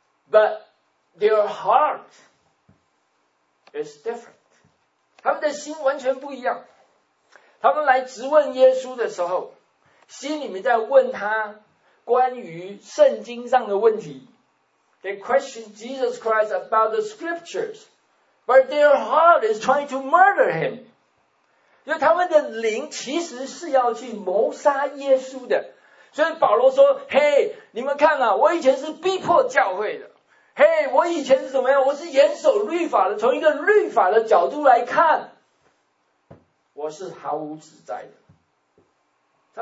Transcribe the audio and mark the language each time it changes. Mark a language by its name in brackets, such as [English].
[English] But their heart is different， [Chinese] 他们的心完全不一样。他们来质问耶稣的时候，心里面在问他关于圣经上的问题。 [English] They question Jesus Christ about the scriptures， but their heart is trying to murder him。 [Chinese] 就他们的灵其实是要去谋杀耶稣的。所以保罗说，嘿，你们看啊，我以前是逼迫教会的，嘿，我以前是怎么样，我是严守律法的，从一个律法的角度来看，我是毫无指摘的。